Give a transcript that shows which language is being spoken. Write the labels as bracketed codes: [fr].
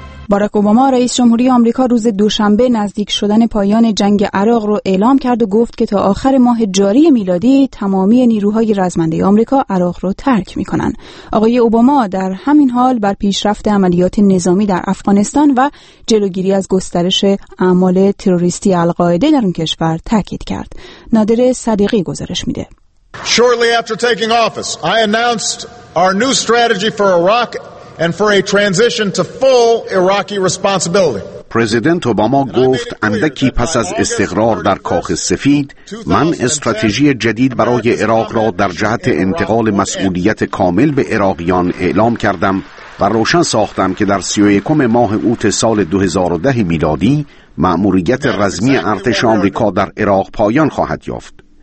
[fa] باراک اوباما رئیس جمهوری آمریکا روز دوشنبه نزدیک شدن پایان جنگ عراق را اعلام کرد و گفت که تا آخر ماه جاری میلادی تمامی نیروهای رزمنده آمریکا عراق را ترک می‌کنند. آقای اوباما در همین حال بر پیشرفت عملیات نظامی در افغانستان و جلوگیری از گسترش اعمال تروریستی القاعده در اون کشور تاکید کرد. نادر صدیقی گزارش میده. [en] Shortly after taking office, I announced our new strategy for Iraq and for a transition to full Iraqi responsibility. [fa] پرزیدنت اوباما گفت اندکی پس از استقرار در کاخ سفید، من استراتژی جدید برای عراق را در جهت انتقال مسئولیت کامل به عراقیان اعلام کردم و روشن ساختم که در 31 ماه اوت سال 2010 میلادی مأموریت رزمی ارتش آمریکا در عراق پایان خواهد یافت.